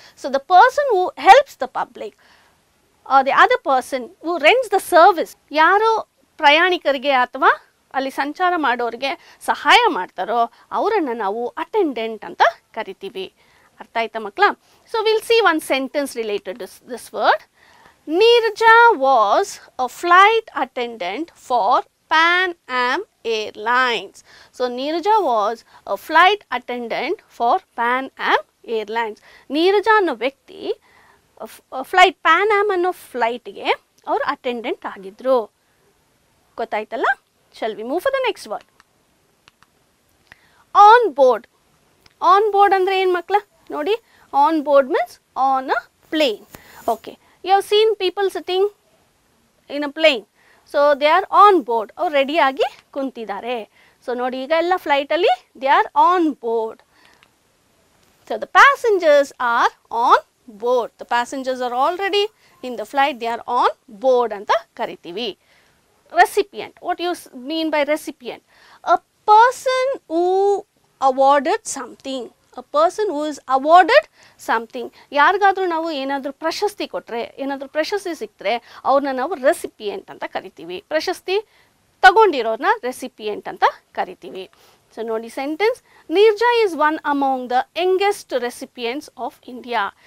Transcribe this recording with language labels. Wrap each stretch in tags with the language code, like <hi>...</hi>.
<en>So, the person who helps the public or the other person who rents the service,</en> <kn>yaro prayanikarige athava ಅಲ್ಲಿ ಸಂಚಾರ ಮಾಡೋರಿಗೆ ಸಹಾಯ ಮಾಡ್ತಾರೋ ಅವರನ್ನು ನಾವು ಅಟೆಂಡೆಂಟ್ ಅಂತ ಕರಿತೀವಿ. ಅರ್ಥ ಆಯ್ತಾ ಮಕ್ಕಳ?</kn> <en>So will see one sentence related this word. Neerja was a flight attendant for Pan Am airlines. So Neerja was a flight attendant for Pan Am airlines.</en> <kn>ನೀರ್ಜಾ ಅನ್ನೋ ವ್ಯಕ್ತಿ ಫ್ಲೈಟ್ ಪ್ಯಾನ್ ಆಮ್ ಅನ್ನೋ ಫ್ಲೈಟ್ಗೆ ಅವರು ಅಟೆಂಡೆಂಟ್ ಆಗಿದ್ರು. ಗೊತ್ತಾಯ್ತಲ್ಲ?</kn> <en>Shall we move for the next word? On board. On board</en> <kn>andre en makla nodi.</kn> <en>On board means on a plane. Okay. You have seen people sitting in a plane. So they are on board or ready</en> <kn>aagi kuntidare.</kn> <en>So</en> <kn>nodi iga ella flight alli</kn> <en>they are on board. So the passengers are on board. The passengers are already in the flight. They are on board</en> <kn>anta karitivi.</kn> <en>Recipient. What you mean by recipient? A person who awarded something. a person who is awarded something.</en> <kn>ಯಾರಿಗಾದರೂ ನಾವು ಏನಾದರೂ ಪ್ರಶಸ್ತಿ ಕೊಟ್ಟರೆ, ಏನಾದರೂ ಪ್ರಶಸ್ತಿ ಸಿಕ್ಕರೆ ಅವ್ರನ್ನ ನಾವು ರೆಸಿಪಿಯೆಂಟ್ ಅಂತ ಕರಿತೀವಿ. ಪ್ರಶಸ್ತಿ ತಗೊಂಡಿರೋದನ್ನ ರೆಸಿಪಿಯೆಂಟ್ ಅಂತ ಕರಿತೀವಿ.</kn> <en>so</en> <kn>ನೋಡಿ</kn> <en>Sentence, Neerja is one among the youngest recipients of India.</en>